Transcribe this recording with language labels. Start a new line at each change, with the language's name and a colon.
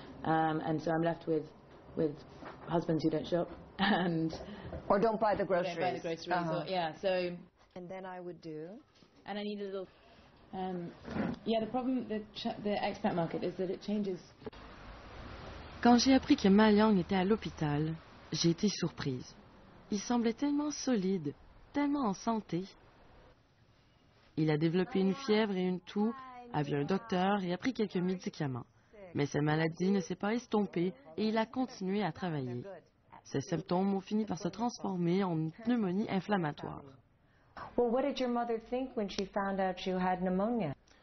English: And so I'm left with husbands who don't shop. And or don't buy the groceries. Don't buy the groceries. Uh-huh. So. And then I would do. And I need a little. The problem the expat market is that it changes.
French: Quand j'ai appris que Ma Liang était à l'hôpital, j'ai été surprise. Il semblait tellement solide, tellement en santé. Il a développé une fièvre et une toux, a vu un docteur et a pris quelques médicaments. Mais sa maladie ne s'est pas estompée et il a continué à travailler. Ses symptômes ont fini par se transformer en une pneumonie inflammatoire.
English: Well, what did your mother think when she found out you had pneumonia?